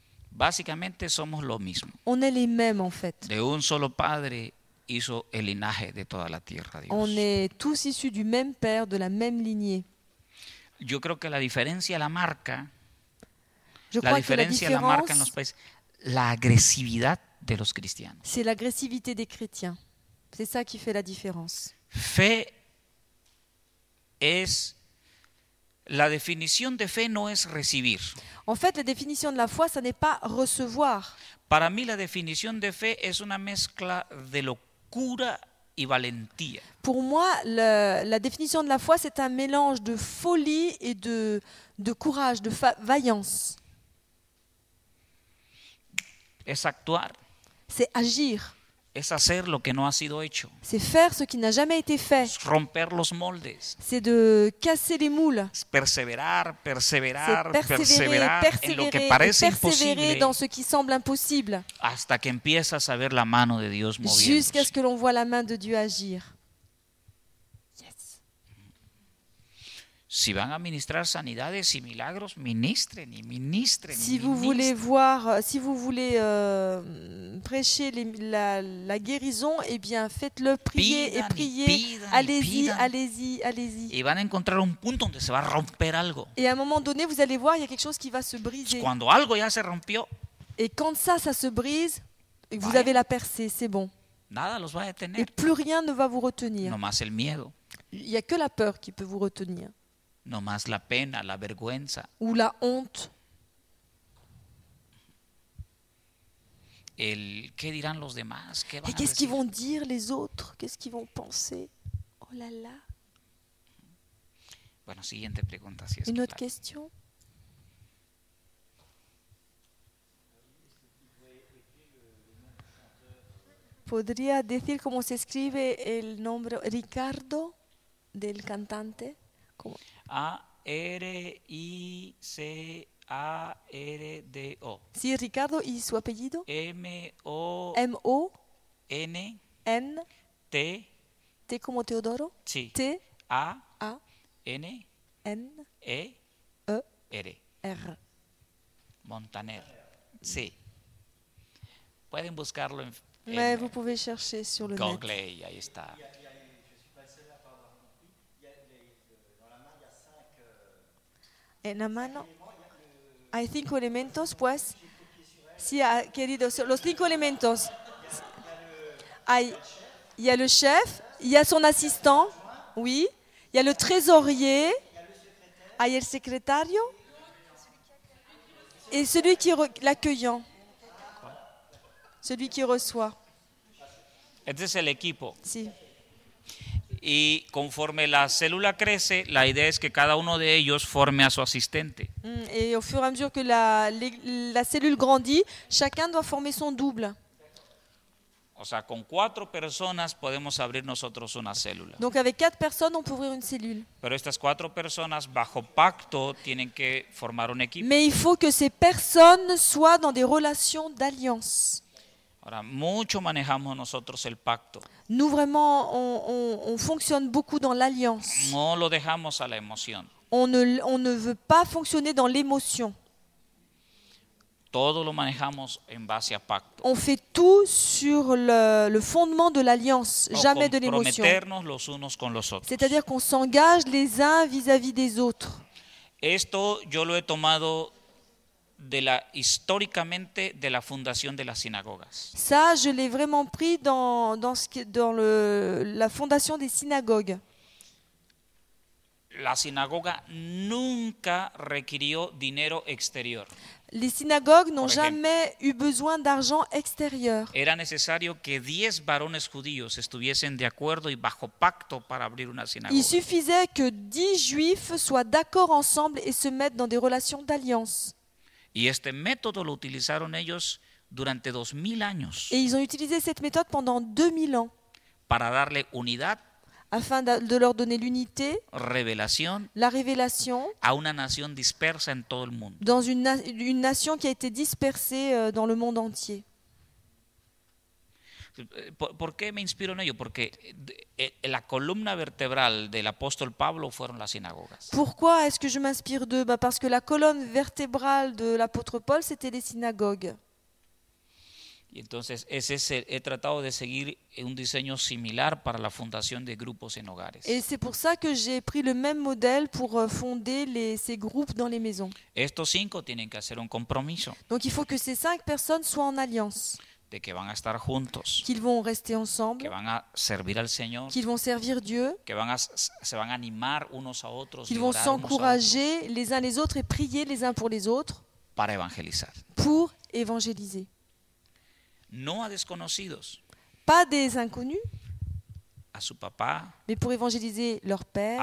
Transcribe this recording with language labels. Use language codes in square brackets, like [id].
[es] Básicamente somos lo mismo. [fr] On est les mêmes en fait. [es] De un solo padre hizo el linaje de toda la tierra, Dios. [fr] On est tous issus du même père, de la même lignée. [es] Yo creo que la diferencia la marca. [fr] Je crois [es] diferencia que la marca en los países la agresividad de los cristianos. [fr] C'est l'agressivité des chrétiens. C'est ça qui fait la différence. [es] Fe es la definición de fe no es recibir. [fr] En fait, la definición de la foi, ça n'est pas recevoir. [es] Para mí, la definición de fe es una mezcla de locura y valentía. [fr] Pour moi, la définition de la foi, c'est un mélange de folie et de courage, de vaillance. [es] Es actuar. [fr] C'est agir. [es] Es hacer lo que no ha sido hecho. [fr] C'est faire ce qui n'a jamais été fait. [es] Es romper los moldes. [fr] C'est de casser les moules. Es persévérer dans ce qui semble impossible. [es] Hasta que empiezas a ver la mano de Dios moviéndose. [fr] Jusqu'à ce que l'on voit la main de Dieu agir. [en] Yes. [es] Si van a ministrar sanidades y milagros, ministren y ministren. [fr] Si vous voulez voir, si vous voulez prêcher la guérison, eh bien faites-le, priez [es] pidan, [fr] et priez, allez-y. [es] Y van a encontrar un punto donde se va a romper algo. [fr] Et à un moment donné, vous allez voir, il y a quelque chose qui va se briser. [es] Cuando algo ya se rompió. [fr] Et quand ça se brise, vaya. Vous avez la percée, c'est bon. [es] Nada los va a detener. [fr] Et plus rien ne va vous retenir. [es] No más el miedo. [fr] Il y a que la peur qui peut vous retenir. [es] No más la pena, la vergüenza. [fr] Ou la honte. [es] El, ¿qué dirán los demás? ¿Qué van [fr] Et qu'est-ce qu'ils vont dire les autres? Qu'est-ce qu'ils vont penser? Oh là là. [es] Bueno, siguiente pregunta, si es [fr] Une autre question. [es] ¿Podría decir cómo se escribe el nombre Ricardo del cantante? ¿Cómo? A-R-I-C-A-R-D-O. Sí, Ricardo, ¿y su apellido? M-O N N T T como Teodoro. Sí. T A A N N E E R R Montaner. Sí. Pueden buscarlo en [fr] Mais vous pouvez chercher sur le Google, net. [es] Google, ahí está. En la mano, hay cinco elementos, pues. Sí, querido, los cinco elementos. [fr] Il y a le chef, il y a son assistant, oui. Il y a le trésorier, [es] hay el secretario, [fr] et celui qui l'accueillant, celui qui reçoit. [es] Este es el equipo. Sí. y conforme la célula crece, la idea es que cada uno de ellos forme a su asistente. [fr] Et au fur et à mesure que la cellule grandit, chacun doit former son double. [es] O sea, con cuatro personas podemos abrir nosotros una célula. [fr] Donc avec quatre personnes on peut ouvrir une cellule. [es] Pero estas cuatro personas bajo pacto tienen que formar un equipo. [fr] Mais il faut que ces personnes soient dans des relations d'alliance. [es] Ahora, mucho manejamos nosotros el pacto. [fr] Nous vraiment on fonctionne beaucoup dans l'alliance. [es] No lo dejamos a la emoción. [fr] On ne veut pas fonctionner dans l'émotion. [es] Todo lo manejamos en base a pacto. [fr] On fait tout sur le fondement de l'alliance, no jamais de l'émotion. [es] Comprometernos los unos con los otros. [fr] C'est-à-dire qu'on s'engage les uns vis-à-vis des autres. [es] Esto yo lo he tomado históricamente de la fundación de las sinagogas. [fr] Ça, je l'ai vraiment pris dans la fondation des synagogues. [es] La sinagoga nunca requirió dinero exterior. [fr] Les synagogues n'ont jamais eu besoin d'argent extérieur. [es] Era necesario que 10 varones judíos estuviesen de acuerdo y bajo pacto para abrir una sinagoga. [fr] Il suffisait que 10 juifs soient d'accord ensemble et se mettent dans des relations d'alliance. [es] Y este método lo utilizaron ellos durante 2000 años. [fr] Et ils ont utilisé cette méthode pendant 2000 ans. [es] Para darle unidad. [fr] Afin de leur donner l'unité, révélation, la révélation [es] a una nación dispersa en todo el mundo. [fr] Dans une nation qui a été dispersée dans le monde entier. [es] ¿Por qué me inspiro en ello? Porque la columna vertebral del apóstol Pablo fueron las sinagogas. [fr] Pourquoi est-ce que je m'inspire d'eux? Parce que la colonne vertébrale de l'apôtre Paul, c'était les synagogues. [es] Y entonces he tratado de seguir un diseño similar para la fundación de grupos en hogares. [fr] Et c'est pour ça que j'ai pris le même modèle pour fonder ces groupes dans les maisons. [es] Estos cinco tienen que hacer un compromiso. [fr] Donc il faut que ces cinq personnes soient en alliance. [es] De que van a estar juntos. [fr] Qu'ils vont rester ensemble. [es] Que van a servir al Señor. [fr] Qu'ils vont servir Dieu. [es] Que se van a animar unos a otros. [fr] Qu'ils vont s'encourager les uns les autres et prier les uns pour les autres. [es] Para evangelizar. [fr] Pour évangéliser. [es] No a desconocidos. [fr] Pas des inconnus. [es] A su papá. [fr] Mais pour évangéliser leur père.